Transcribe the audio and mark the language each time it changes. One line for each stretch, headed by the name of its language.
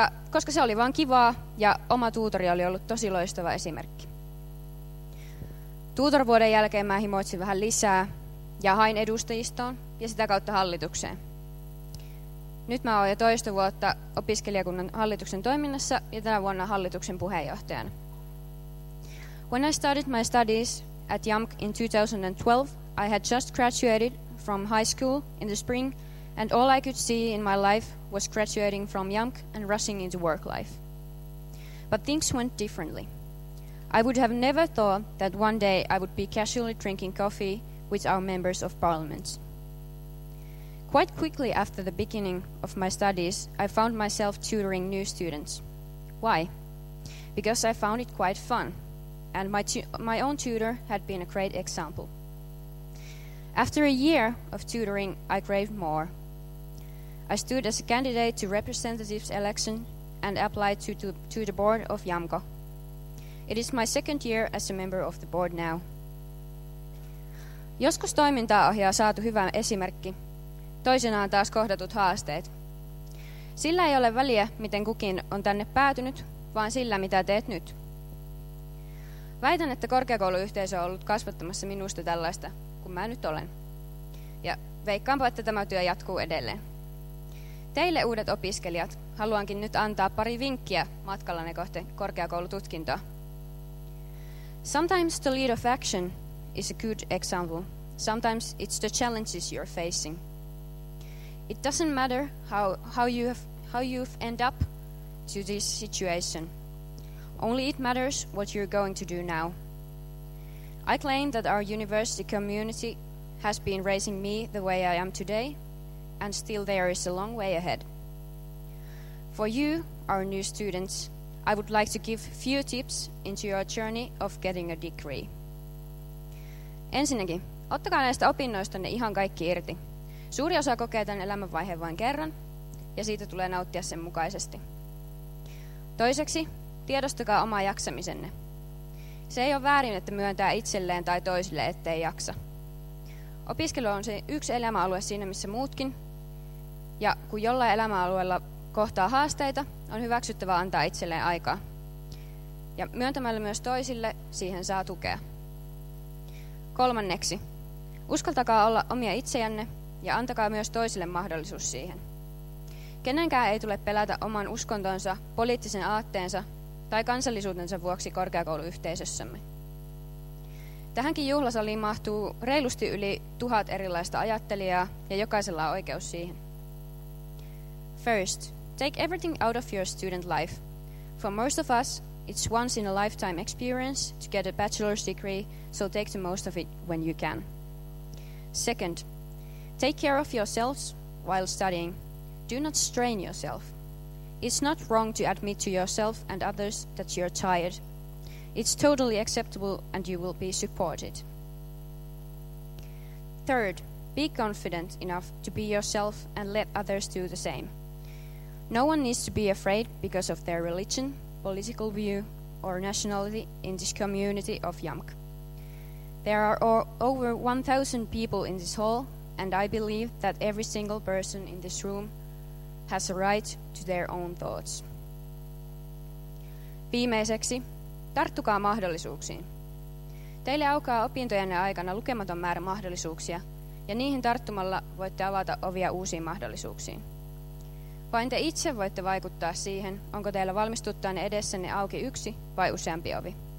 Finnish: Koska se oli vaan kivaa ja oma tuutori oli ollut tosi loistava esimerkki. Tuutorvuoden jälkeen mä himoitsin vähän lisää ja hain edustajistoon ja sitä kautta hallitukseen. Nyt mä oon jo toista vuotta opiskelijakunnan hallituksen toiminnassa ja tänä vuonna hallituksen puheenjohtajana.
English: When I started my studies at YAMK in 2012, I had just graduated from high school in the spring and all I could see in my life was graduating from YAMK and rushing into work life. But things went differently. I would have never thought that one day I would be casually drinking coffee with our members of parliament. Quite quickly after the beginning of my studies, I found myself tutoring new students. Why? Because I found it quite fun, and my own tutor had been a great example. After a year of tutoring, I craved more. I stood as a candidate to representatives election and applied to the board of YAMKO. It is my second year as a member of the board now.
Finnish: Joskus toimintaa ohjaa saatu hyvä esimerkki, toisinaan taas kohdatut haasteet. Sillä ei ole väliä, miten kukin on tänne päätynyt, vaan sillä, mitä teet nyt. Väitän, että korkeakouluyhteisö on ollut kasvattamassa minusta tällaista, kun mä nyt olen. Ja veikkaanpa, että tämä työ jatkuu edelleen. Teille uudet opiskelijat haluankin nyt antaa pari vinkkiä matkallanne kohti korkeakoulututkintoa.
English: Sometimes the lead of action is a good example. Sometimes it's the challenges you're facing. It doesn't matter how you've end up to this situation. Only it matters what you're going to do now. I claim that our university community has been raising me the way I am today, and still there is a long way ahead. For you, our new students, I would like to give few tips into your journey of getting a degree.
Finnish: Ensinnäkin, ottakaa näistä opinnoistanne ihan kaikki irti. Suuri osa kokee tämän elämänvaiheen vain kerran, ja siitä tulee nauttia sen mukaisesti. Toiseksi, tiedostakaa oma jaksamisenne. Se ei ole väärin, että myöntää itselleen tai toisille, ettei jaksa. Opiskelu on se yksi elämäalue siinä, missä muutkin. Ja kun jollain elämäalueella kohtaa haasteita, on hyväksyttävä antaa itselleen aikaa. Ja myöntämällä myös toisille siihen saa tukea. Kolmanneksi, uskaltakaa olla omia itseänne ja antakaa myös toisille mahdollisuus siihen. Kenenkään ei tule pelätä oman uskontonsa, poliittisen aatteensa tai kansallisuutensa vuoksi korkeakouluyhteisössämme. Tähänkin juhlasaliin mahtuu reilusti yli 1000 erilaista ajattelijaa ja jokaisella on oikeus siihen.
English: First, take everything out of your student life. For most of us, it's once in a lifetime experience to get a bachelor's degree, so take the most of it when you can. Second, take care of yourselves while studying. Do not strain yourself. It's not wrong to admit to yourself and others that you're tired. It's totally acceptable and you will be supported. Third, be confident enough to be yourself and let others do the same. No one needs to be afraid because of their religion, political view, or nationality in this community of YAMK. There are over 1,000 people in this hall, and I believe that every single person in this room has a right to their own thoughts.
Finnish: Viimeiseksi, tarttukaa mahdollisuuksiin. Teille aukeaa opintojenne aikana lukematon määrä mahdollisuuksia, ja niihin tarttumalla voitte avata ovia uusiin mahdollisuuksiin. Vain te itse voitte vaikuttaa siihen, onko teillä valmistuttaanne edessänne auki yksi vai useampi ovi.